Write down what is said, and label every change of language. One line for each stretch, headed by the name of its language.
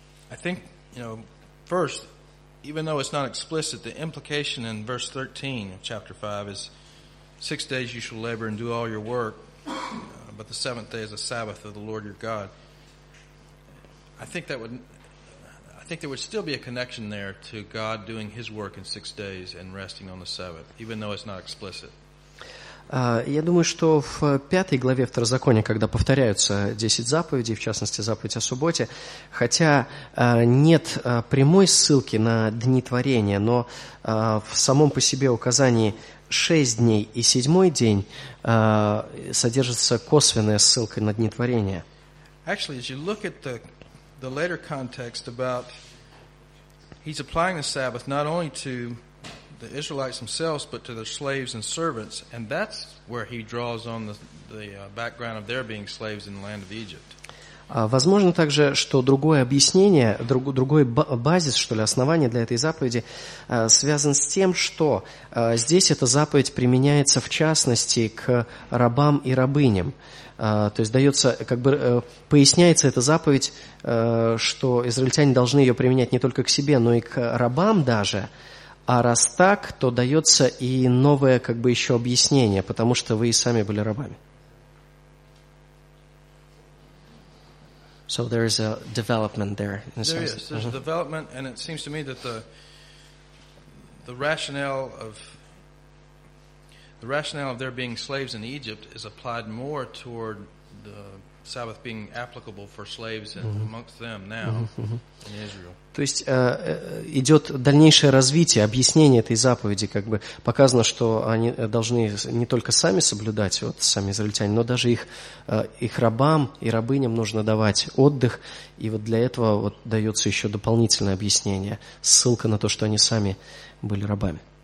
English: I think, you know, first, even though it's not explicit, the implication in verse 13 of chapter 5 is, 6 days you shall labor and do all your work, but the seventh day is a Sabbath of the Lord your God. I think there would still be a connection there to God doing his work in 6 days and resting on the seventh, even though it's not explicit.
Russian: Я думаю, что в пятой главе Второзакония, когда повторяются 10 заповедей, в частности, заповедь о субботе, хотя нет прямой ссылки на дни творения, но в самом по себе указании 6 дней и 7 день содержится косвенная ссылка на дни творения.
English: Actually, as you look at the later context about he's applying the Sabbath not only to the Israelites themselves, but to their slaves and servants, and that's where he draws on the background of their being slaves in the land of Egypt.
Russian: Возможно также, что другое объяснение, другой базис, что ли, основание для этой заповеди связан с тем, что здесь эта заповедь применяется в частности к рабам и рабыням. То есть дается, как бы поясняется эта заповедь, что израильтяне должны ее применять не только к себе, но и к рабам даже. А раз так, то дается и новое, как бы еще объяснение, потому что вы и сами были рабами.
English: So there is a development there. There is. There's a development, and it seems to me that the rationale of their being slaves in Egypt is applied more toward the Sabbath being applicable for slaves and amongst them now in Israel.
Russian: То есть идет дальнейшее развитие, объяснение этой заповеди, как бы показано, что они должны не только сами соблюдать, вот сами израильтяне, но даже их рабам и рабыням нужно давать отдых, и вот для этого вот дается еще дополнительное объяснение, ссылка на то, что они сами были рабами.